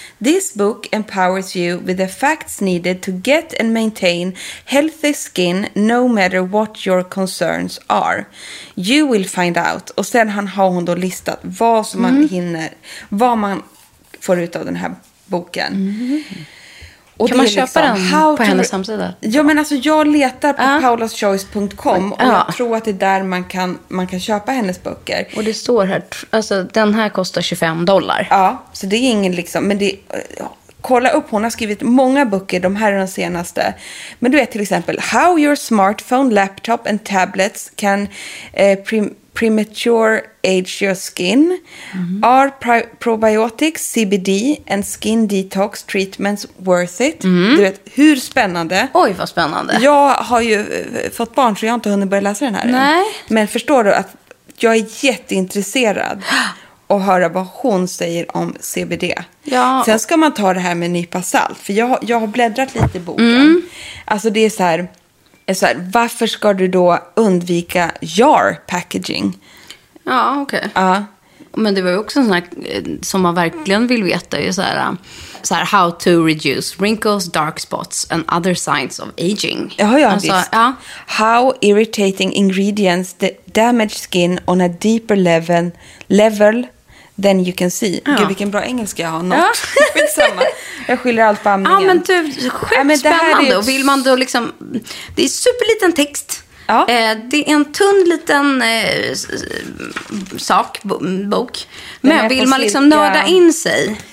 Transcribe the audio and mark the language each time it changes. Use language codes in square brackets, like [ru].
[en] This book empowers you with the facts needed to get and maintain healthy skin no matter what your concerns are. You will find out. [sv] Och sen har hon då listat vad som man hinner, vad man får ut av den här boken. Mm. Och kan man köpa liksom, den how på hennes hemsida? Ja, men alltså jag letar på paulaschoice.com och jag tror att det är där man kan köpa hennes böcker. Och det står här, alltså den här kostar $25. Ja, så det är ingen liksom, men det, kolla upp, hon har skrivit många böcker, de här är de senaste. Men du vet till exempel, [en] How Your Smartphone, Laptop and Tablets Can Premature Age Your Skin. Mm-hmm. Are probiotics, CBD and skin detox treatments worth it? Mm-hmm. [sv] Du vet, hur spännande. Oj, vad spännande. Jag har ju fått barn så jag har inte hunnit börja läsa den här. Nej. Men förstår du att jag är jätteintresserad och höra vad hon säger om CBD. Ja. Sen ska man ta det här med en nypa salt. För jag har bläddrat lite i boken. Mm. Alltså det är så här... Så här, varför ska du då undvika jar packaging? Ja, okej. [en] Okay. [sv] Men det var ju också en sån här, som man verkligen vill veta, ju så här, [en] how to reduce wrinkles, dark spots and other signs of aging. [sv] Ja, alltså, visst. Ja. [en] How irritating ingredients damage skin on a deeper level than you can see. [sv] Ja. Gud, vilken bra engelska jag har. Jag skiljer allt på amningen. Ja, men du, skitspännande. Ja, men det här är... Vill man då liksom... Det är superliten text. Ja. Det är en tunn liten sak, bok. Men vill man liksom nörda in sig...